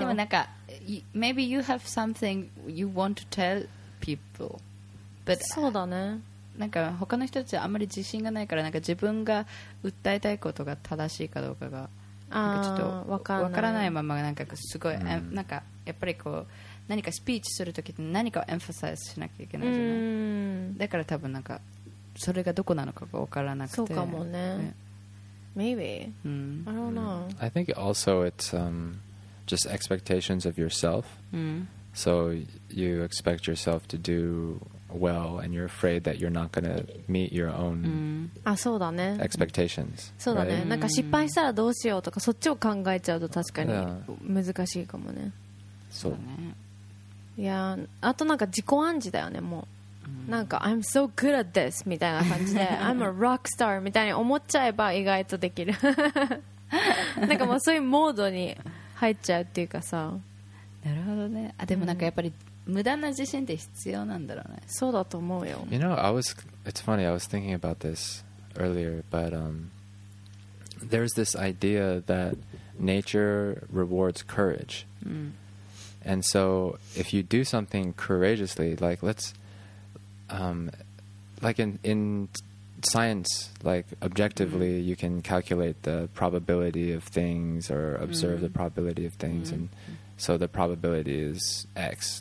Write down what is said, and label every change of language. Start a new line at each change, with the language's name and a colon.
Japanese: でもなんか
English: maybe you have something you want to tell people. But
Japanese: そうだね。なんか他の人たちはあんまり自信がないからなんか自分が訴えたいことが正しいかどうかがなんかちょっとわからないままなんかすごい、なんかやっぱりこう何かスピーチするときって何かをエンファサイズしなきゃいけないじゃない。だから多分なんかそれがどこなのかがわからなくて。そうかもね。ね
English: Maybe. Mm. I don't know. I think also it's just expectations of yourself. Mm. So you expect yourself to do well and you're afraid that you're not going to meet your own expectations.
Japanese: そうだね。なんか失敗したらどうしようとかそっちを考えちゃうと確かに難しいかもね。そうだね。いや、あとなんか自己暗示だよね、もう。なんか
English: I'm so good at this
Japanese: みたいな感じで
English: I'm a rock star
Japanese: みたいに思っちゃえば意外とできるなんかもうそういうモードに入っちゃうっていうかさ。なるほどね。あ、でもなんかやっぱり無駄な自信って必要なんだろうね。そうだと思うよ。
English: You know, it's funny, I was thinking about this earlier, but there's this idea that nature rewards courage. And so if you do something courageously, like in science, like objectively, you can calculate the probability of things or observe the probability of things, and so the probability is X.